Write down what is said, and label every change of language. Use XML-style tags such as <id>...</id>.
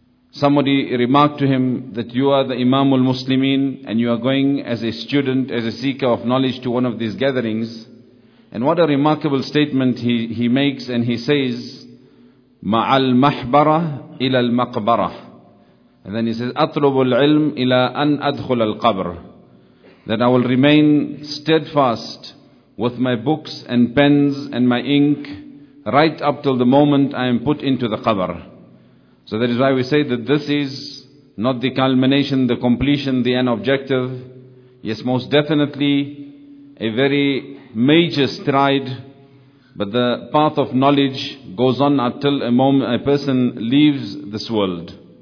<en>Somebody remarked to him that you are the Imamul Muslimin and you are going as a student, as a seeker of knowledge to one of these gatherings. And what a remarkable statement he makes, and he says,</en> <ar>مَعَ الْمَحْبَرَةِ إِلَى الْمَقْبَرَةِ.</ar> <en>And then he says,</en> <ar>أَطْلُبُ الْعِلْمِ إِلَىٰ أَنْ أَدْخُلَ الْقَبْرِ.</ar> <en>That I will remain steadfast with my books and pens and my ink right up till the moment I am put into the qabr. So that is why we say that this is not the culmination, the completion, the end objective. Yes, most definitely a very major stride, but the path of knowledge goes on until a moment a person leaves this world.</en>